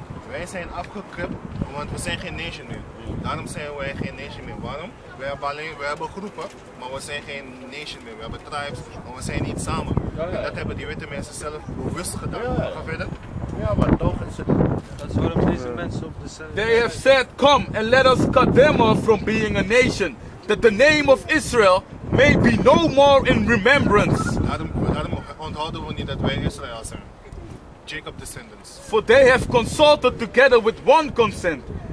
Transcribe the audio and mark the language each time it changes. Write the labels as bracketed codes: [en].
[nl] Wij zijn afgekript, want we zijn geen nation meer. Daarom zijn wij geen nation meer. Waarom? We hebben groepen, maar we zijn geen nation meer. We hebben tribes, maar we zijn niet samen. Ja. En dat hebben die witte mensen zelf bewust gedaan. Ja. Ga verder. Ja, maar toch is het. Dat is waarom deze mensen op dezelfde. [en] They have said, come and let us cut them off from being a nation. That the name of Israel may be no more in remembrance. [nl] Daarom onthouden we niet dat wij Israël zijn. [en] Jacob descendants. For they have consulted together with one consent.